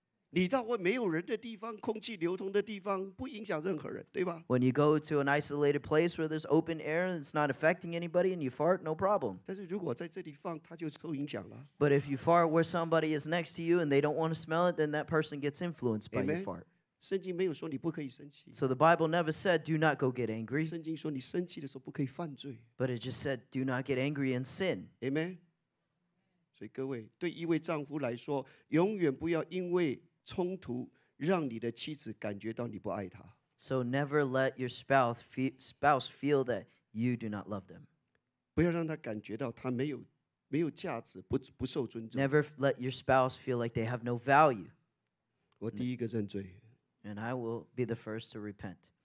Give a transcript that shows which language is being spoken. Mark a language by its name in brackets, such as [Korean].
[Chinese] 你到过没有人的地方，空气流通的地方，不影响任何人，对吧 [English] ？When you go to an isolated place where there's open air and it's not affecting anybody and you fart, no problem. [Chinese] 但是如果在这里放，它就受影响了。 [English] But if you fart where somebody is next to you and they don't want to smell it, then that person gets influenced by your fart. [Chinese] 圣经没有说你不可以生气。 [English] So the Bible never said do not go get angry. [Chinese] 圣经说你生气的时候不可以犯罪。 [English] But it just said do not get angry and sin. Amen. [Chinese] 所以各位，对一位丈夫来说，永远不要因为冲突让你的妻子感觉到你不爱她。 [English] So never let your spouse feel that you do not love them. [Chinese] 不要让她感觉到她没有价值，不受尊重。 [English] Never let your spouse feel like they have no value. [Chinese] 我第一个认罪。 [English] And I will be the first to repent.